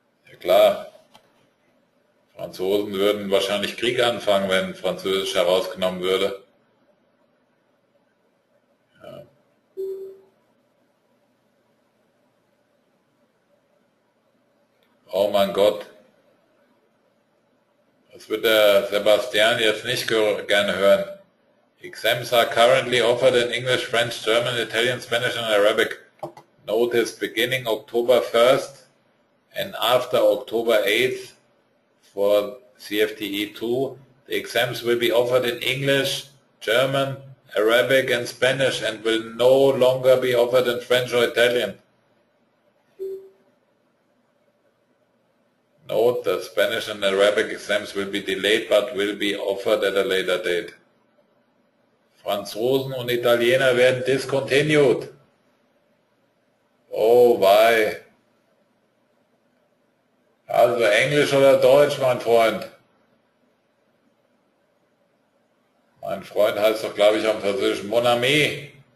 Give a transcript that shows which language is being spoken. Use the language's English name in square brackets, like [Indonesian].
[German] Ja klar, Franzosen würden wahrscheinlich Krieg anfangen, wenn Französisch herausgenommen würde. Ja. Oh mein Gott, das wird der Sebastian jetzt nicht gerne hören. [English] Exams are currently offered in English, French, German, Italian, Spanish and Arabic. Notice beginning October 1st and after October 8th for CFTE 2. The exams will be offered in English, German, Arabic and Spanish and will no longer be offered in French or Italian. Note, the Spanish and Arabic exams will be delayed but will be offered at a later date. [German] Franzosen und Italiener werden discontinued. [English] Oh, why? [German] Also Englisch oder Deutsch, mein Freund? Mein Freund heißt doch, glaube ich, am Französisch Mon ami.